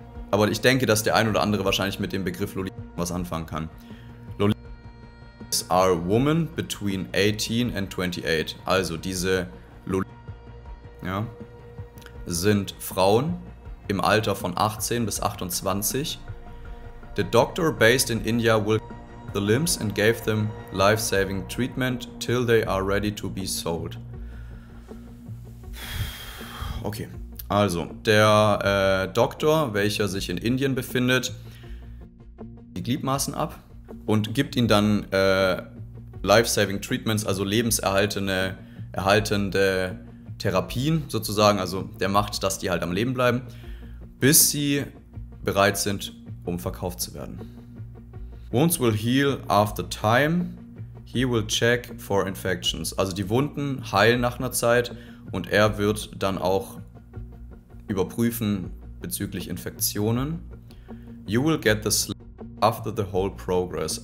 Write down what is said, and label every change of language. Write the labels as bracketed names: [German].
[German] Aber ich denke, dass der ein oder andere wahrscheinlich mit dem Begriff Lolita was anfangen kann. [English] Lolitas are women between 18 and 28. [German] Also diese Lolitas, ja, sind Frauen im Alter von 18 bis 28. [English] The doctor based in India will the limbs and gave them life-saving treatment till they are ready to be sold. Okay. [German] Also, der Doktor, welcher sich in Indien befindet, die Gliedmaßen ab und gibt ihnen dann [English] life-saving treatments, [German] also lebenserhaltende Therapien sozusagen. Also, der macht, dass die halt am Leben bleiben, bis sie bereit sind, um verkauft zu werden. [English] Wounds will heal after time. He will check for infections. [German] Also, die Wunden heilen nach einer Zeit und er wird dann auch überprüfen bezüglich Infektionen. [English] You will get the slave after the whole progress.